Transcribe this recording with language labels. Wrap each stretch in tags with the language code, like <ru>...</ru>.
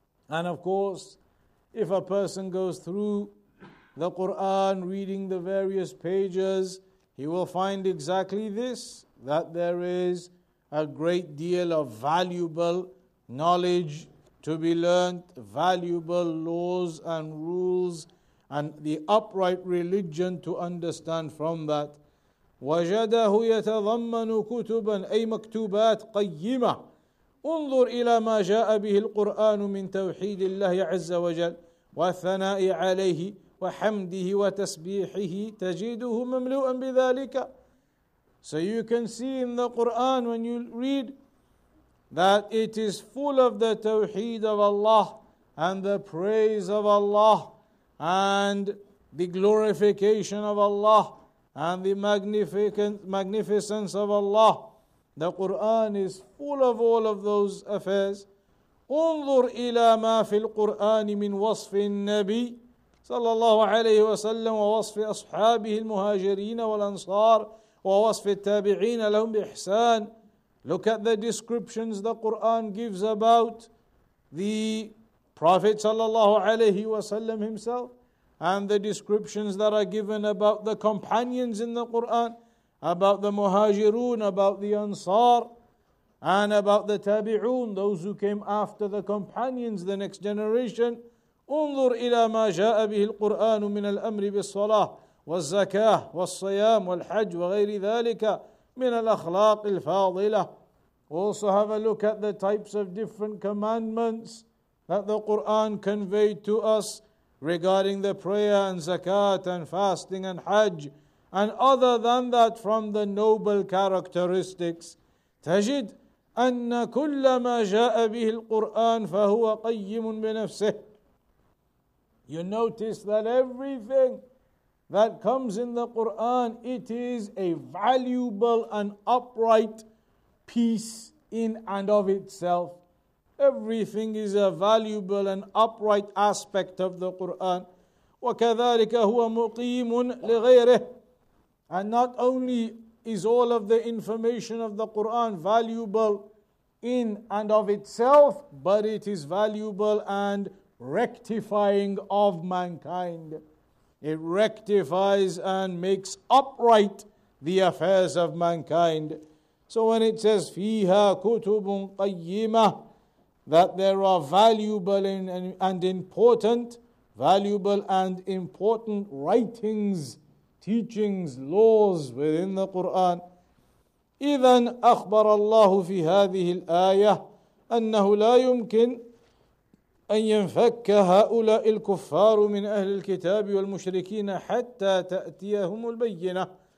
<en>And of course, if a person goes through the Qur'an, reading the various pages, he will find exactly this, that there is a great deal of valuable knowledge to be learned, valuable laws and rules, and the upright religion to understand from that.</en> <ar>وَجَدَهُ يَتَضَمَّنُ كُتُبًا أي مَكْتُوبَاتْ قَيِّمَةً انظر إلى ما جاء به القرآن من توحيد الله عز وجل والثناء عليه وحمده وتسبيحه تجده مملوءا بذلك.</ar> <en>So you can see in the Quran when you read that it is full of the tawheed of Allah and the praise of Allah and the glorification of Allah and the magnificence of Allah. The Quran is full of all of those affairs.</en> <ar>انظر إلى ما في القرآن من وصف النبي صلى الله عليه وسلم ووصف أصحابه المهاجرين والأنصار ووصف التابعين لهم بإحسان.</ar> <en>Look at the descriptions the Quran gives about the Prophet</en> <ar>صلى الله عليه وسلم</ar> <en>himself and the descriptions that are given about the companions in the Quran, about the muhajirun, about the ansar, and about the tabi'un, those who came after the companions, the next generation.</en> <ar>انظر إلى ما جاء به القرآن من الأمر بالصلاة والزكاة والصيام والحج وغير ذلك من الأخلاق الفاضلة.</ar> <en>Also have a look at the types of different commandments that the Quran conveyed to us regarding the prayer and zakat and fasting and hajj, and other than that from the noble characteristics.</en> <ar>تجد أن كل ما جاء به القرآن فهو قيم بنفسه.</ar> <en>You notice that everything that comes in the Quran, it is a valuable and upright piece in and of itself. Everything is a valuable and upright aspect of the Quran.</en> <ar>وَكَذَٰلِكَ هُوَ مُقِيمٌ لِغَيْرِهِ.</ar> <en>And not only is all of the information of the Quran valuable in and of itself, but it is valuable and rectifying of mankind. It rectifies and makes upright the affairs of mankind. So when it says</en> <ar>فيها كتب قيمة,</ar> <en>that there are valuable and important writings, teachings, laws within the Quran.</en> <ar>إذن أخبر الله في هذه الآية أنه لا يمكن أن ينفك هؤلاء الكفار من أهل الكتاب والمشركين حتى تأتيهم البينة.</ar>